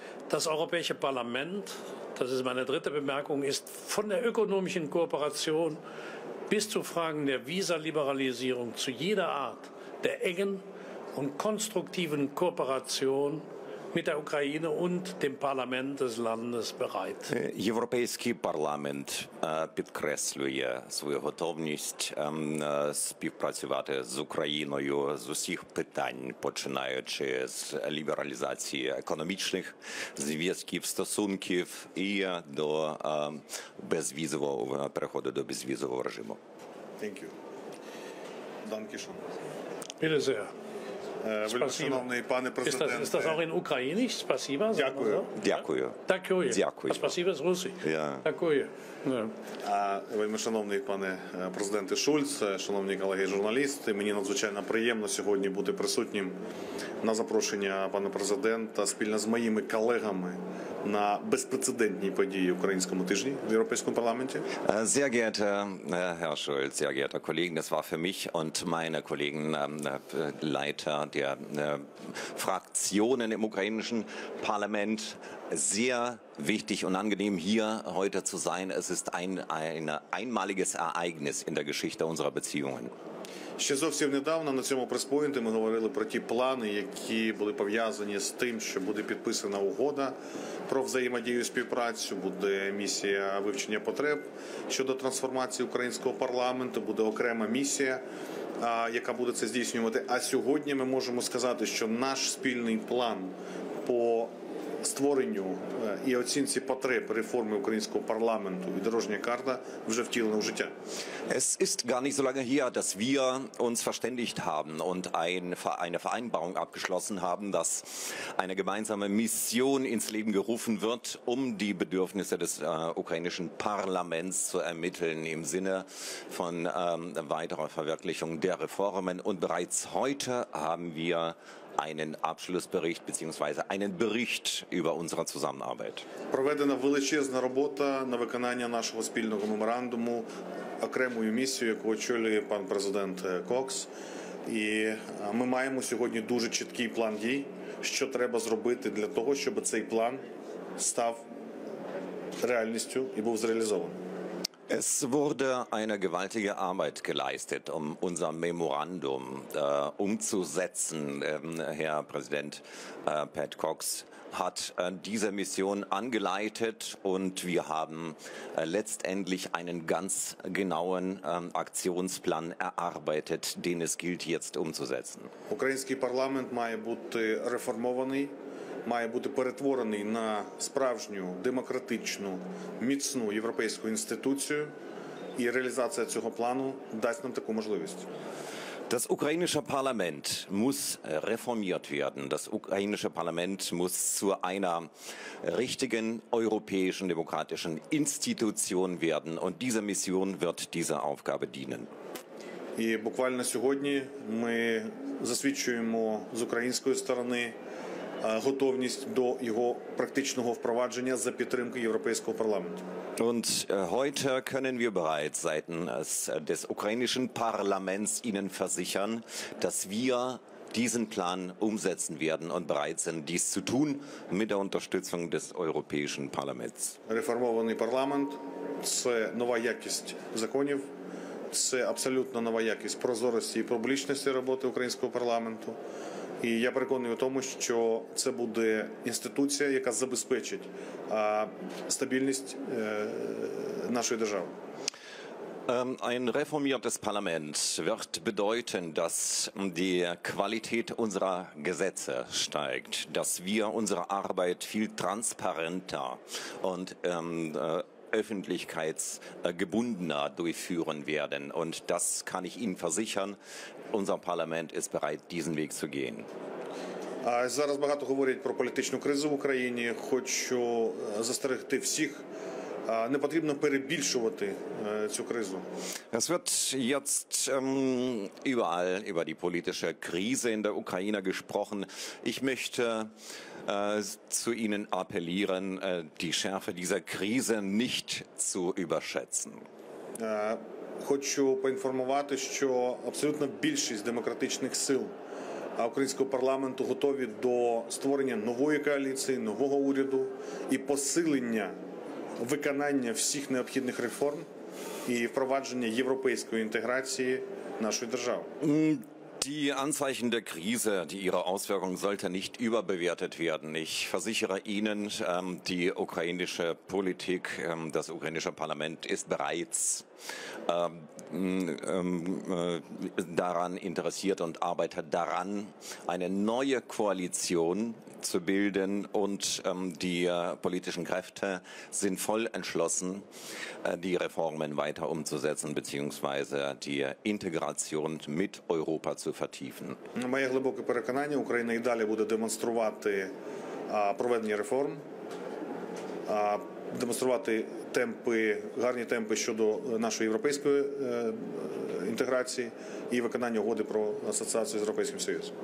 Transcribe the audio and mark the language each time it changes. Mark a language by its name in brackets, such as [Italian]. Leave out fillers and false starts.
[German] Das Europäische Parlament, das ist meine dritte Bemerkung, ist von der ökonomischen Kooperation bis zu Fragen der Visa-Liberalisierung, zu jeder Art der engen und konstruktiven Kooperation mit der Ukraine und dem Parlament des Landes bereit. [Ukrainian] Європейський парламент підкреслює свою готовність співпрацювати з Україною з усіх питань, починаючи з лібералізації економічних зв'язків, стосунків і до безвізового переходу до безвізового режиму. [English] Thank you. [German] Danke schön. Bitte sehr. [Ukrainian] Вельмишановний пане президенте. [German] Ist das auch in Ukrainisch? [Russian] Спасибо. [Ukrainian] Дякую. Дякую. Дякую. Дякую. [Russian] Спасибо з Руси. [Ukrainian] Дякую. А вельмишановний пане президенте Шульц, шановні колеги журналісти, мені надзвичайно приємно сьогодні бути присутнім на запрошення пана президента спільно з моїми колегами на безпрецедентній події в українському тижні в Європейському парламенті. [German] Sehr geehrter Herr Schulz, sehr geehrter Kollegen, das war für mich und meine Kollegen Leiter der Fraktionen im ukrainischen Parlament sehr wichtig und angenehm, hier heute zu sein. Es ist ein einmaliges Ereignis in der Geschichte unserer Beziehungen. [Ukrainian] Ще зовсім недавно на цьому прес-поінті ми говорили про ті плани, які були пов'язані з тим, що буде підписана угода про взаємодію і співпрацю, буде місія вивчення потреб щодо трансформації українського парламенту, буде окрема місія, яка буде це здійснювати. А сьогодні ми можемо сказати, що наш спільний план по створенню і оцінці потреб реформи українського парламенту і дорожня карта вже втілена в життя. [German] Es ist gar nicht so lange her, dass wir uns verständigt haben und eine Vereinbarung abgeschlossen haben, dass eine gemeinsame Mission ins Leben gerufen wird, um die Bedürfnisse des ukrainischen Parlaments zu ermitteln im Sinne von weiterer Verwirklichung der Reformen. Und bereits heute haben wir einen Abschlussbericht bzw. einen Bericht über unsere Zusammenarbeit. [Ukrainian] Проведена величезна робота на виконання нашого спільного меморандуму, окремою місією, яку очолює пан президент Кокс. І ми маємо сьогодні дуже чіткий план дій, що треба зробити для того, щоб цей план став реальністю і був зреалізований. [German] Es wurde eine gewaltige Arbeit geleistet, um unser Memorandum umzusetzen. Herr Präsident Pat Cox hat diese Mission angeleitet und wir haben letztendlich einen ganz genauen Aktionsplan erarbeitet, den es gilt jetzt umzusetzen. [Ukrainian] Український парламент має бути реформований, має бути перетворений на справжню демократичну, міцну європейську інституцію, і реалізація цього плану дасть нам таку можливість. [German] Das ukrainische Parlament muss reformiert werden. Das ukrainische Parlament muss zu einer richtigen europäischen demokratischen Institution werden und diese Mission wird dieser Aufgabe dienen. [Ukrainian] І буквально сьогодні ми засвідчуємо з української сторони готовність до його практичного впровадження за підтримки Європейського парламенту. [German] Und heute können wir bereits seitens des ukrainischen Parlaments Ihnen versichern, dass wir diesen Plan umsetzen werden und bereit sind, dies zu tun mit der Unterstützung des Europäischen Parlaments. [Ukrainian] Реформований парламент – це нова якість законів, це абсолютно нова якість прозорості і публічності роботи українського парламенту. І я переконаний у тому, що це буде інституція, яка забезпечить стабільність нашої держави. [German] Ein reformiertes Parlament wird bedeuten, dass die Qualität unserer Gesetze steigt, dass wir unsere Arbeit viel transparenter und öffentlichkeitsgebundener durchführen werden. Und das kann ich Ihnen versichern. Unser Parlament ist bereit, diesen Weg zu gehen. [Ukrainian] Зараз багато говорять про політичну кризу в Україні. Хочу застерегти всіх. Не потрібно перебільшувати цю кризу. [German] Es wird jetzt überall über die politische Krise in der Ukraine gesprochen. Ich möchte zu Ihnen appellieren, die Schärfe dieser Krise nicht zu überschätzen. [Ukrainian] Хочу поінформувати, що абсолютно більшість демократичних сил українського парламенту готові до створення нової коаліції, нового уряду і посилення виконання всіх необхідних реформ і впровадження європейської інтеграції нашої держави. [German] Die Anzeichen der Krise, die ihre Auswirkungen sollte nicht überbewertet werden. Ich versichere Ihnen, die ukrainische Politik, das ukrainische Parlament ist bereits daran interessiert und arbeitet daran, eine neue Koalition zu bilden und die politischen Kräfte sind voll entschlossen, die Reformen weiter umzusetzen bzw. die Integration mit Europa zu vertiefen. [Ukrainian] Моє глибоке переконання, Україна і далі буде демонструвати проведення реформ, демонструвати темпи, гарні темпи щодо нашої європейської інтеграції і виконання угоди про асоціацію з Європейським Союзом.